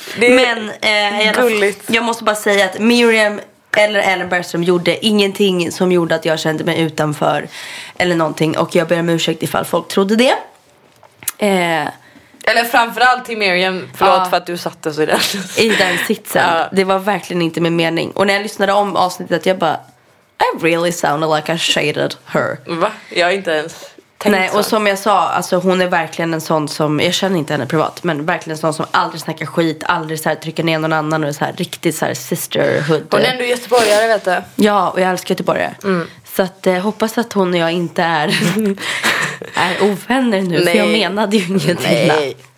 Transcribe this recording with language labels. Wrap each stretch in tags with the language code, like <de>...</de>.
<sv>Men jag måste bara säga att Miriam eller Ellen Bergström gjorde ingenting som gjorde att jag kände mig utanför eller någonting. Och jag ber om ursäkt ifall folk trodde det. Eller framförallt till Miriam, förlåt för att du satt oss i den sitsen. Ja. Det var verkligen inte min mening. Och när jag lyssnade om avsnittet, jag bara...</sv> <en>I really sounded like I shaded her.</en> <sv>Va? Jag har inte ens tänkt Nej, och som jag sa, alltså, hon är verkligen en sån som... Jag känner inte henne privat, men verkligen en sån som aldrig snackar skit. Aldrig så här trycker ner någon annan och så här riktigt så här sisterhood. Hon är ändå göteborgare, vet du. Ja, och jag älskar göteborgare. Mm. Så att, hoppas att hon och jag inte är... är ovänner nu, nej. För jag menade ju ingenting.</sv>